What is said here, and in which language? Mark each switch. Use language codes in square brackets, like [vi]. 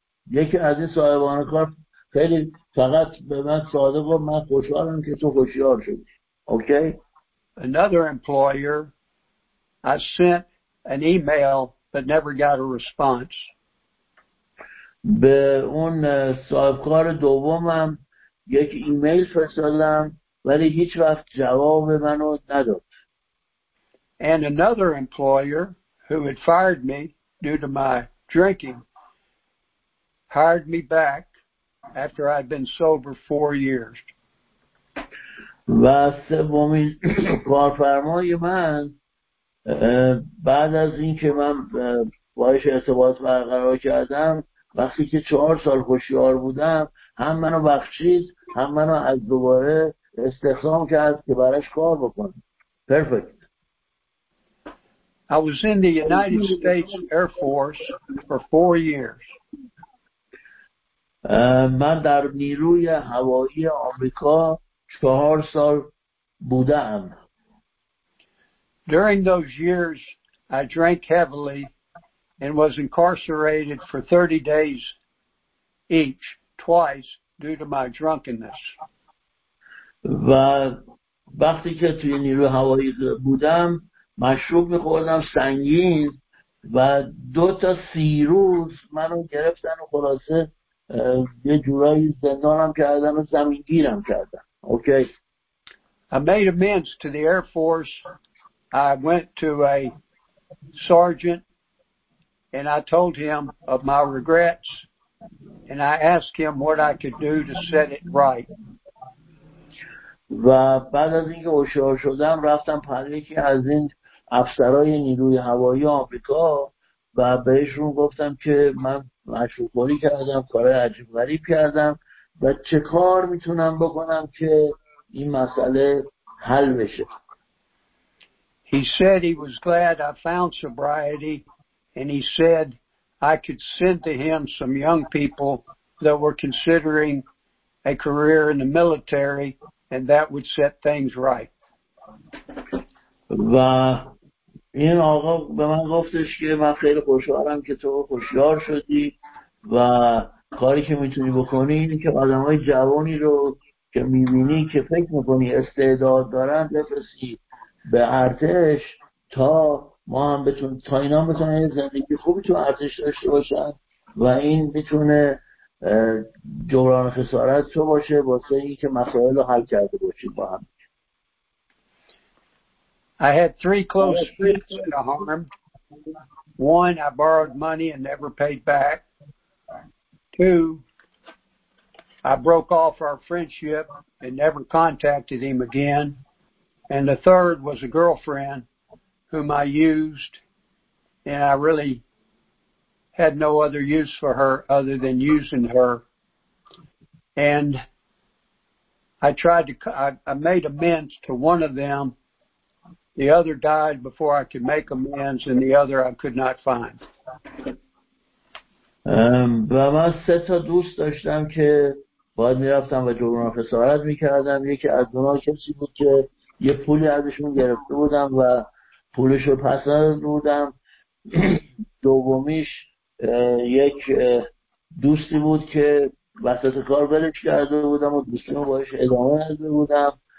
[fa] یکی از این صاحبان کار خیلی فقط به من صادق و من خوشحالم که تو خوشیار شدی. [en] Okay? Another employer, I sent an email but never got a response. [fa] به اون صاحب کار دومم یک ایمیل فرستادم ولی هیچ وقت جواب منو نداد. [en] And another employer who had fired me due to my drinking hired me back after I'd been sober 4 years. [fa] و سومین کارفرمای من بعد از اینکه من باهاش ارتباط برقرار کردم، وقتی که 4 سال هوشیار بودم، هم منو بخشید هم منو از دوباره استخدام کرد که براش کار بکنم. [en] Perfect. I was in the United States Air Force for 4 years. [fa] من در نیروی هوایی آمریکا 4 سال بودم. [en] During those years, I drank heavily and was incarcerated for 30 days each, twice, due to my drunkenness. [fa] و وقتی که توی نیروی هوایی بودم، مشروب می‌خوردم سنگین و 2 تا 3 روز منو گرفتن و خلاصه یه جورایی زندانم کردن و زمینگیرم کردن. [en] Okay. I made amends to the Air Force. I went to a sergeant and I told him of my regrets and I asked him what I could do to set it right. [fa] و بعد از اینکه هوشیار شدم رفتم پیش یکی از این افسرهای نیروی هوایی آمریکا و بهشون گفتم که من مشروب‌خوری کردم، کارهای عجیب غریب کردم و چه کار میتونم بکنم که این مسئله حل بشه. [en] He said he was glad I found sobriety and he said I could send to him some young people that were considering a career in the military and that would set things right. [fa] و این آقا به من گفتش که من خیلی خوشحالم که تو هوشیار شدی و کاری که میتونی بکنی اینه که آدمای جوانی رو که میبینی که فکر میکنی استعداد دارن بفرستی به ارتش تا ما هم بتون تا اینا بتونن زندگی خوبی تو ارتش داشته باشن و این میتونه جبران خسارت تو باشه واسه این که مسائل رو حل کرده باشی با هم. [en] I had 3 close friends in the harm. 1, I borrowed money and never paid back. 2, I broke off our friendship and never contacted him again. And the 3rd was a girlfriend whom I used, and I really had no other use for her other than using her. And I tried to, I made amends to 1 of them. The other died before I could make amends, and the other I could not find. [fa] و من 3 تا دوست داشتم که باید میرفتم و جبران خسارت میکردم. یکی از اونها کسی بود که یه پولی ازشون گرفته بودم و پولش رو پس ندادم. دومیش یک دوستی بود که وسط کار ولش کرده بودم و دوستیم باهاش ادامه داده بودم.